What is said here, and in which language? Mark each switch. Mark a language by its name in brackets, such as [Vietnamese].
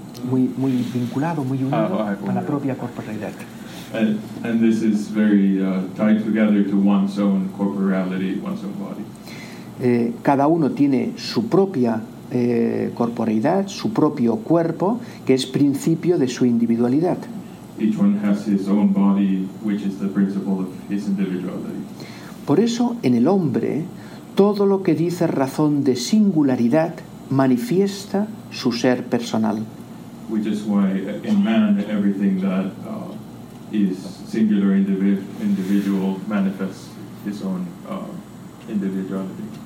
[Spanish] Muy vinculado, muy unido a la propia corporalidad. [English] And this is very tied together to one's own corporality, one's own body. [Spanish] Cada uno tiene su propia corporeidad, su propio cuerpo, que es principio de su individualidad. [English] Each one has his own body, which is the principle of his individuality. [Spanish] Por eso, en el hombre, todo lo que dice razón de singularidad manifiesta su ser personal. [English] Which is why in man everything that is singular individual manifests his own individuality.